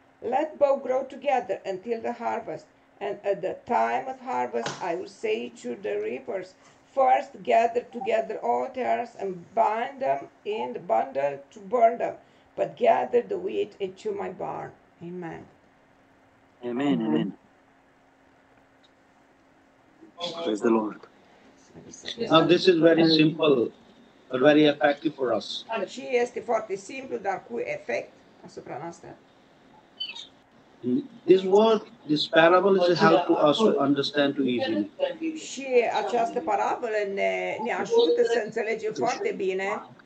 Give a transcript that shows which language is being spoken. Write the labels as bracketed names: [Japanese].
[English] Let both grow together until the harvest. And at the time of harvest, I will say to the reapers, First gather together all tares and bind them in the bundle to burn them, but gather the wheat into my barn. Amen. Amen. Amen. Amen. Praise the Lord. Now this is very simple, but very effective for us. [Romanian] Și este foarte simplu, dar cu efect asupra noastră. [English] This word, this parable is a help to us to understand too easily. [Romanian] Și această parabolă ne ajută să înțelegem foarte bine.